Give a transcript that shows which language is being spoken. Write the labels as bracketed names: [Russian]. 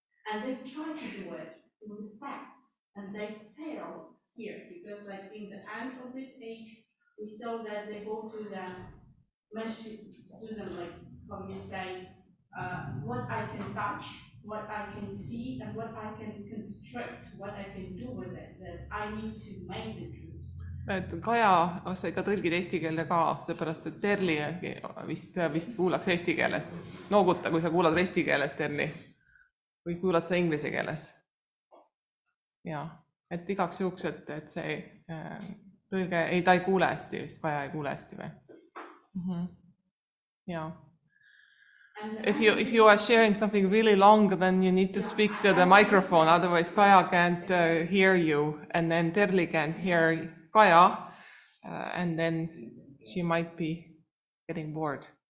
[English] And they try to do it through the facts and they failed here because like in the end of this age, we saw that they go to the message to them like from you say, what I can touch, what I can see and what I can construct, what I can do with it, that I need to make the truth. [Estonian] Et Kaja sai ka tõlgid eesti keelde ka, seepärast, et Terli vist kuulaks eesti keeles. Nooguta, kui sa kuulad eesti keeles, Terli, või kuulad sa inglise keeles. Ja, et igaks juhuks, et see tõlge, ei, ta ei kuule hästi, vist Kaja ei kuule hästi või. Mm-hmm. Ja. [English] If you are sharing something really long, then you need to speak to the microphone, otherwise Kaja can't hear you, and then Terli can't hear Kaja, and then she might be getting bored.